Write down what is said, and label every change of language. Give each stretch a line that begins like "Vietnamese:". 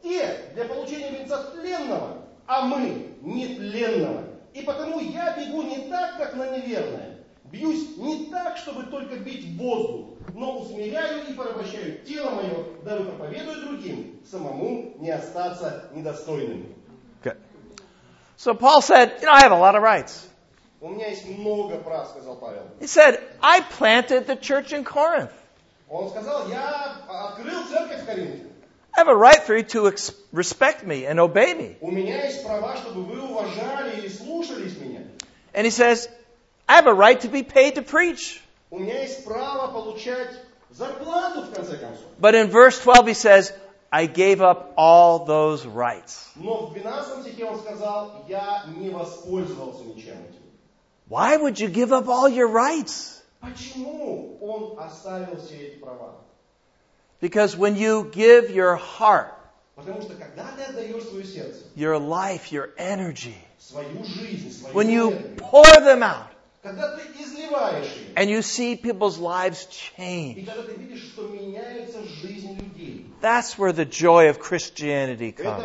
Russian: Те для получения венца тленного, а мы нетленного. И потому я бегу не так, как на неверное. Бьюсь не так, чтобы только бить воздух, но усмиряю и порабощаю тело мое, дабы проповедую другим, самому не остаться недостойным.
English: Good. So Paul said, you know, I have a lot of rights.
Russian: У меня есть много прав, сказал Павел.
English: He said, I planted the church in Corinth.
Russian: Он сказал, я открыл церковь в Коринфе.
English: I have a right for you to respect me and obey me.
Russian: У меня есть права, чтобы вы уважали и слушались меня.
English: And he says, I have a right to be paid to preach.
Russian: У меня есть право получать зарплату, в конце концов.
English: But in verse 12 he says, I gave up all those rights.
Russian: Но в 12 стихе он сказал, я не воспользовался ничем этим.
English: Why would you give up all your rights?
Russian: Почему он оставил все эти права?
English: Because when you give your heart,
Russian: потому что когда ты отдаешь свое сердце,
English: your life, your energy,
Russian: свою жизнь, свою
English: when you
Russian: энергию,
English: pour them out,
Russian: когда ты изливаешь их,
English: and you see people's lives change,
Russian: и когда ты видишь, что меняется жизнь людей,
English: that's where the joy of Christianity comes.